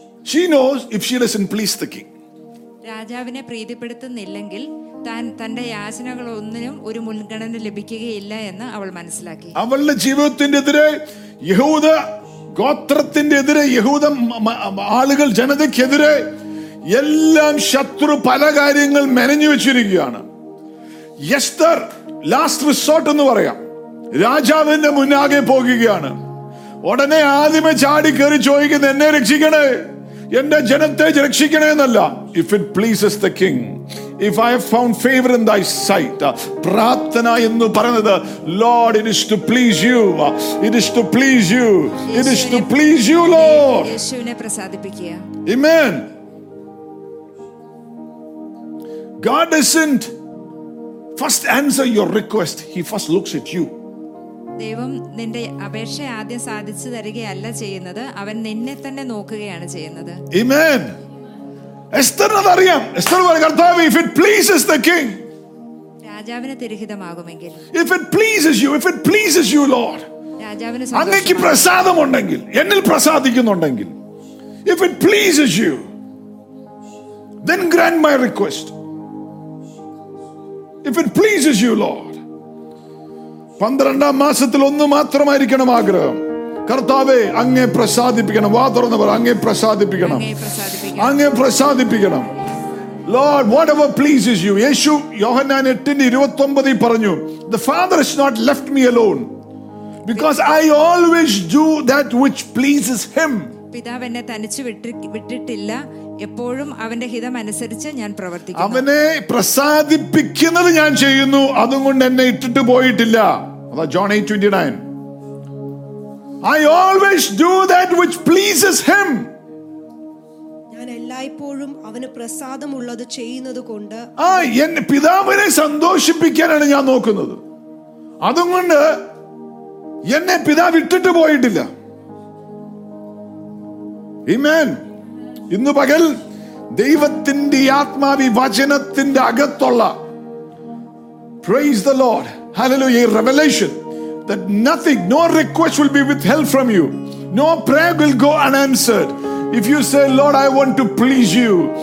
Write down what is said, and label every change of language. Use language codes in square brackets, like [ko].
[en] She knows if she doesn't please the king, [ml] രാജാവിനെ പ്രീതിപ്പെടുത്തുന്നില്ലെങ്കിൽ തന്റെ യാചനകൾ ഒന്നിനും ഒരു മുൻഗണന ലഭിക്കുകയില്ല എന്ന് അവൾ മനസ്സിലാക്കി. അവളുടെ ജീവിതത്തിന്റെ എതിരെ യഹൂദ ഗോത്രത്തിന്റെ എതിരെ, യഹൂദ ആളുകൾ ജനതയ്ക്കെതിരെ എല്ലാം ശത്രു പല കാര്യങ്ങൾ മെനഞ്ഞു വെച്ചിരിക്കുകയാണ്. എസ്തർ [en] last resort [ml] എന്ന് പറയാം, രാജാവിന്റെ മുന്നാകെ പോകുകയാണ്. ഉടനെ ആദ്യമേ ചാടി കയറി ചോദിക്കുന്നത്, എന്നെ രക്ഷിക്കണേ, എന്റെ ജനത്തെ രക്ഷിക്കണേ എന്നല്ല. [en] If it pleases the king, if I have found favour in thy sight. [ml] പ്രാർത്ഥന എന്ന് പറയുന്നത്, [en] Lord, it is to please you, it is to please you, it is to please you Lord. [ml] യേശുവിനെ പ്രസാദിപ്പിക്കുക. ആമേൻ. [en] God doesn't first answer your request, he first looks at you. [ml] ദൈവം നിന്റെ അപേക്ഷ ആദ്യം സാധിച്ചു തരികയല്ല ചെയ്യുന്നത്, അവൻ നിന്നെ തന്നെ നോക്കുകയാണ് ചെയ്യുന്നത്. ആമേൻ. എസ്തറിനറിയാം, എസ്തർ പറഞ്ഞു, കർത്താവ്, [en] if it pleases the king, [ml] രാജാവിനെ തിരുഹിതമാകുമെങ്കിൽ, [en] if it pleases you, if it pleases you Lord, [ml] രാജാവിനെ അങ്ങേക്ക് പ്രസാദമുണ്ടെങ്കിൽ, എന്നിൽ പ്രസാദിക്കുന്നുണ്ടെങ്കിൽ, [en] If it pleases you, then grant my request. If it pleases you Lord. [ml] 12 ഒന്ന് മാത്രമായിരിക്കണം ആഗ്രഹം, കർത്താവേ അങ്ങേ പ്രസാദിപ്പിക്കണം. വാ തുറന്ന് പറ അങ്ങേ പ്രസാദിപ്പിക്കണം, അങ്ങേ പ്രസാദിപ്പിക്കണം. [en] Lord, whatever pleases you. [ml] യേശു യോഹന്നാൻ 8:29 പറഞ്ഞു, [en] The Father has not left me alone because I always do that which pleases him. [ml] പിതാവ് എന്നെ തനിച്ചു വിട്ടിട്ടില്ല, എപ്പോഴും അവന്റെ ഹിതം അനുസരിച്ച് ഞാൻ പ്രവർത്തിക്കുന്നു. അവനെ പ്രസാദിപ്പിക്കുന്നത് ഞാൻ ചെയ്യുന്നു, അതുകൊണ്ട് എന്നെ ഇട്ടിട്ട് പോയിട്ടില്ല. [en] John 8:29. I always do that which pleases him. [ml] ഞാൻ എല്ലായ്പ്പോഴും അവനെ പ്രസാദമുള്ളത് ചെയ്യുന്നതുകൊണ്ട്, ആ എന്നെ പിതാവിനെ സന്തോഷിപ്പിക്കാനാണ് ഞാൻ നോക്കുന്നത്, അതുകൊണ്ട് എന്നെ പിതാവ് ഇട്ടിട്ട് പോയിട്ടില്ല. ആമേൻ. ഇന്ന് പകൽ ദൈവത്തിന്റെ ആത്മാവി വചനത്തിന്റെ അകത്തുള്ള, praise the Lord, hallelujah, revelation. [en] That nothing, no request will be withheld from you. No prayer will go unanswered. If you say, Lord, I want to please you.